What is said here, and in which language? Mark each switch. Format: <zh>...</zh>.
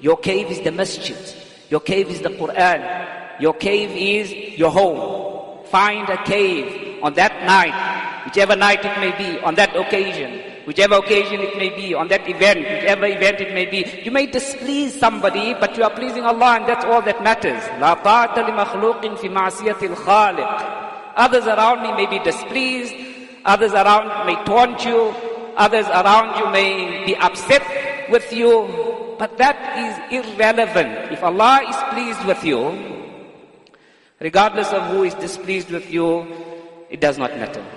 <en>Your cave is the masjid. Your cave is the Quran. Your cave is your home. Find a cave on that night, whichever night it may be, on that occasion, whichever occasion it may be, on that event, whichever event it may be. You may displease somebody, but you are pleasing Allah, and that's all that matters.</en> <ar>لا طاعة لمخلوقٍ في معصية الخالق.</ar> <en>Others around me may be displeased. Others around may taunt you. Others around you may be upset with you. But that is irrelevant. If Allah is pleased with you, regardless of who is displeased with you, it does not matter.</en>